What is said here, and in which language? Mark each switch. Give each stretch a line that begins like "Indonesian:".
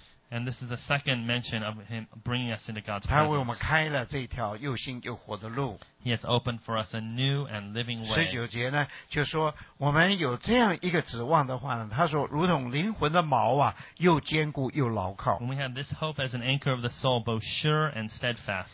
English: and this is the second mention of him bringing us into God's presence. He has opened for us a new and living way.
Chinese: 19节呢, 就说, 我们有这样一个指望的话呢, 他说, 如同灵魂的锚啊, 又坚固又牢靠。
English: When we have this hope as an anchor of the soul, both sure and steadfast.